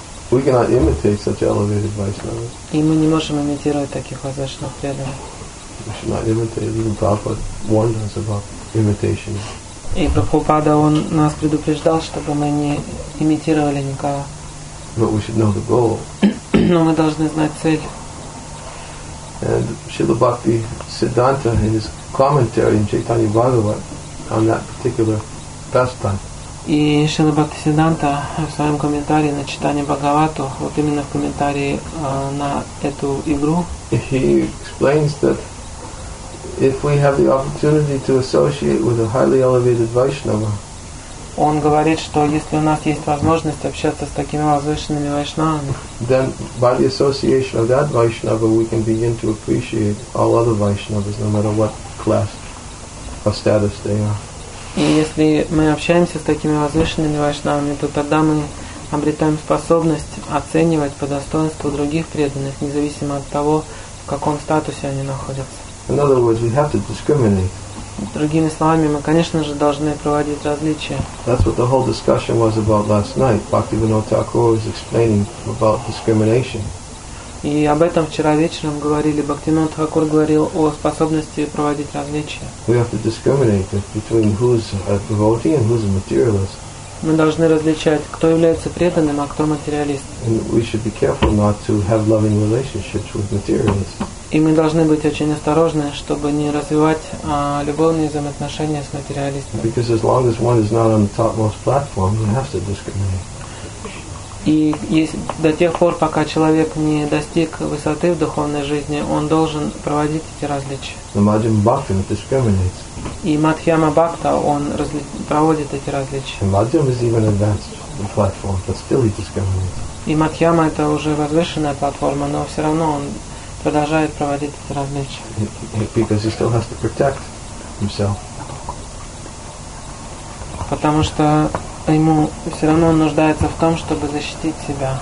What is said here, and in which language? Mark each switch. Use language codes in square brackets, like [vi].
[en] We cannot imitate such elevated Vaishnavas. [ru] И мы не можем имитировать таких возвышенных преданных. [en] We should not imitate. Even Prabhupada warned us about imitation. [ru] И Прабхупада он нас предупреждал, чтобы мы не имитировали никого. [en] But we should know the goal. [ru] Но мы должны знать цель. [en] And Śrīla Bhakti Siddhānta in his commentary in Chaitanya Bhagavat on that particular pastime. [ru] И Śrīla Bhakti Siddhānta в своем комментарии на Чайтанья Бхагавату, вот именно в комментарии на эту игру, [en] he explains that if we have the opportunity to associate with a highly elevated Vaishnava, [ru] он говорит, что если у нас есть возможность общаться с такими возвышенными вайшнавами, [en] then by the association of that Vaishnava we can begin to appreciate all other Vaishnavas, no matter what class or status they are. [ru] И если мы общаемся с такими возвышенными вайшнавами, то тогда мы обретаем способность оценивать по достоинству других преданных, независимо от того, в каком статусе они находятся. [en] In other words, we have to discriminate. [ru] Другими словами, мы, конечно же, должны проводить различия. [en] That's what the whole discussion was about last night. Bhaktivinoda Thakur was explaining about discrimination. [ru] И об этом вчера вечером говорили. Бхактивинода Тхакур говорил о способности проводить различия. [en] We have to discriminate between who's a devotee and who's a materialist. [ru] Мы должны различать, кто является преданным, а кто материалист. [en] And we should be careful not to have loving relationships with materialists. [ru] И мы должны быть очень осторожны, чтобы не развивать любовные взаимоотношения с материалистами. [en] Because as long as one is not on the topmost platform, you have to discriminate. [ru] И если, до тех пор, пока человек не достиг высоты в духовной жизни, он должен проводить эти различия. [en] The Madhyama Bhakta discriminates. [ru] И Мадхьяма Бхакта, он проводит эти различия. [en] The Madhyama is even advanced on the platform, but still he discriminates. [ru] И Мадхьяма это уже возвышенная платформа, но все равно он продолжает проводить эти различия. [en] Because he still has to protect himself. [ru] Потому что ему все равно он нуждается в том, чтобы защитить себя.